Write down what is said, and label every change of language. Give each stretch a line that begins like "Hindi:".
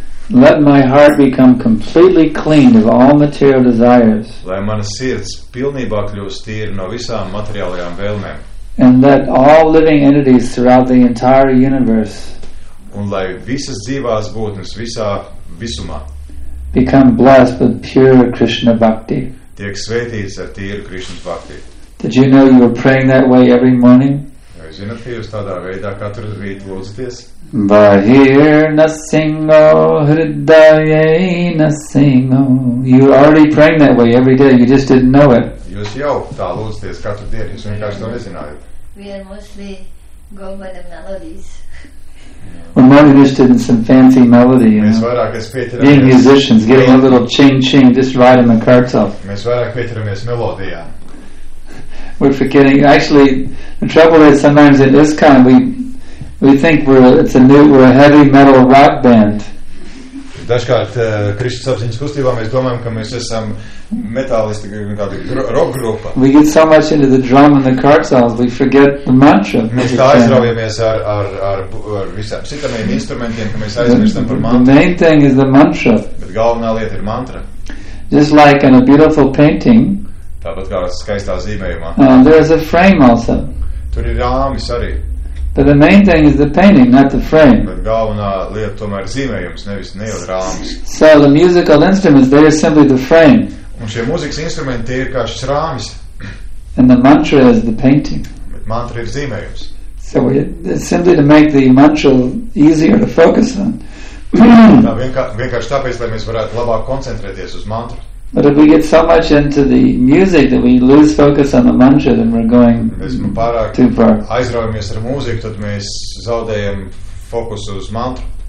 English: Let my heart become completely clean of all material desires.
Latvian: Lai mana sirds pilnībā kļūst tīra no visām materiālajām vēlmēm.
English: And let all living entities throughout the entire universe
Latvian: un lai visas dzīvās būtnes visā visumā
English: become blessed with pure Krishna bhakti.
Latvian: Tiek svētīts ar tīru Krishna bhakti.
English: Did you know you were praying that way every morning?
Latvian: Vai zināt, ka jūs tādā veidā katru rītu lūdzaties?
Bangla: Bahir nasingo, hridaye nasingo.
English: You were already praying that way every day, you just didn't know it.
Latvian: Jūs jau tā lūdzaties katru dienu, jūs vienkārši to nezinājat.
English: We are mostly Govinda melodies. We're more interested in some fancy melody, you
Latvian: mēs
English: know. Being musicians, getting a little ching-ching, just right in the cartel.
Latvian: Mēs vairāk pieturamies melodijā.
English: We're forgetting. Actually, the trouble is sometimes in ISKCON, we think we're a heavy metal rock band.
Latvian: Dažkārt, Krishna sapziņas kustībā, mēs domājam, ka mēs esam metālisti, tādi rock grupa.
English: We get so much into the drum and the cartels, we forget the mantra.
Latvian: Mēs tā aizraujamies ar visām citamiem instrumentiem, ka mēs aizmirstam par mantru.
English: The main thing is the mantra.
Latvian: Bet galvenā lieta ir mantra.
English: Just like in a beautiful painting.
Latvian: Tāpat kā skaistā zīmējumā.
English: There is a frame also.
Latvian: Tur ir rāmis arī.
English: But the main thing is the painting, not the frame.
Latvian: Bet galvenā lieta tomēr zīmējums, nevis neil rāmis.
English: So the musical instruments, they are simply the frame.
Latvian: Un šie mūzikas instrumenti ir kā šis rāmis.
English: And the mantra is the painting.
Latvian: Bet mantra ir zīmējums.
English: So it's simply to make the mantra easier to focus on.
Latvian: Tā vienkārši tāpēc, lai mēs varētu labāk koncentrēties uz mantru.
English: But if we get so much into the music that we lose focus on the mantra, then we're going too far.
Latvian: Aizraujamies ar mūziku, tad mēs zaudējam fokusu uz mantru.